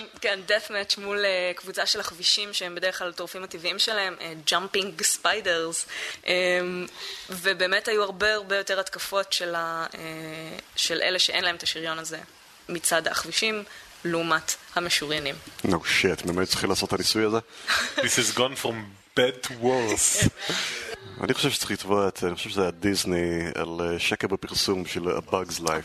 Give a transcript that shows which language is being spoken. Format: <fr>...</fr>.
<he>כן, דף מאץ' מול קבוצה של החבישים שהם בדרך כלל הטורפים הטבעיים שלהם, ג'אמפינג ספיידרס. ובאמת היו הרבה יותר התקפות של אלה שאין להם את השריון הזה. מצד החבישים, לעומת המשוריינים.</he> <en>No shit,</en> <he>ממה צריך לעשות את הניסוי הזה?</he> <en>This has gone from bad to worse.</en> <he>אני חושב שצריך לתבוע את, אני חושב שזה היה דיסני, על שקר בפרסום של A Bug's Life.</he>